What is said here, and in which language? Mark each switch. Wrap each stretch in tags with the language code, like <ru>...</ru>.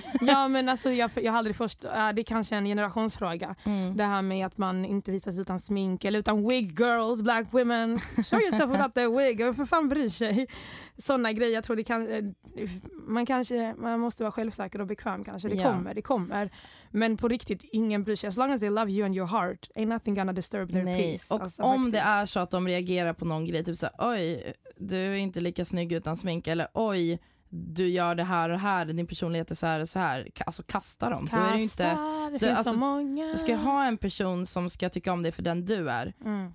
<sv>Ja, men alltså jag har aldrig först, det är kanske en generationsfråga. Mm. Det här med att man inte visas utan smink eller utan</sv> <en>wig girls, black women. Show yourself without the wig.</en> <sv>För fan bryr sig. Såna grejer, jag tror det kan, man måste vara självsäker och bekväm kanske. Det kommer. Men på riktigt, ingen bryr sig.</sv> <en>As long as they love you and your heart, ain't nothing gonna disturb their</en> <sv>Nej.</sv> <en>Peace.</en> <sv>Och alltså, om faktiskt. Det är så att de reagerar på någon grej, typ så här, oj, du är inte lika snygg utan smink, eller oj, du gör det här och här, din personlighet är så här och så här, alltså kasta dem. Kasta, då är det inte, det finns alltså, så många. Du ska ha en person som ska tycka om dig för den du är. Mm.</sv>